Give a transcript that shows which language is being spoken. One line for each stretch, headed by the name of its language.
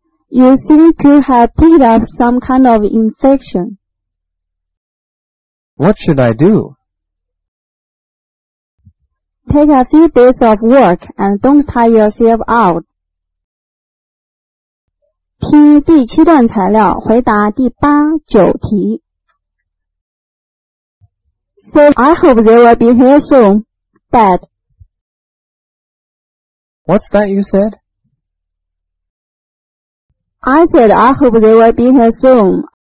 English: You seem to have picked up some kind of infection. What should I do? Take a few days off work and don't tire yourself out.
Chinese: 听第七段材料，回答第八、九题。
English: So I hope they will be here soon, but... What's that you said? I said I hope they will be here soon.